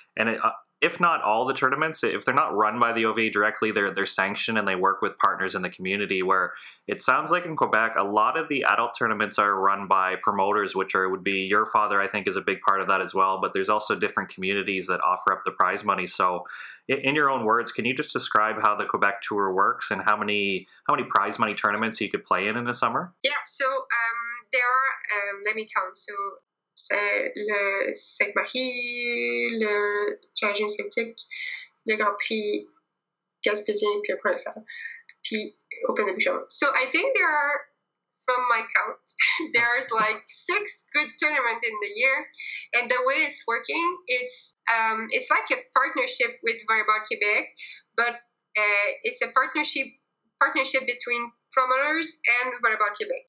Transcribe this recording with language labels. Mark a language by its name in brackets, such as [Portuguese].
[English] And if not all the tournaments, if they're not run by the OVA directly, they're sanctioned and they work with partners in the community, where it sounds like in Quebec, a lot of the adult tournaments are run by promoters, which would be your father, I think, is a big part of that as well. But there's also different communities that offer up the prize money. So in your own words, can you just describe how the Quebec Tour works and how many prize money tournaments you could play in the summer? Yeah, so there are, let me count, so... [French] C'est le Saint-Marie, le Challenge Celtic, le Grand Prix Gaspésien, puis le Provençal, puis Open de Bouchon. [English] So I think there are, from my count, there's like 6 good tournaments in the year. And the way it's working, it's like a partnership with Volleyball Québec, but it's a partnership between promoters and Volleyball Québec.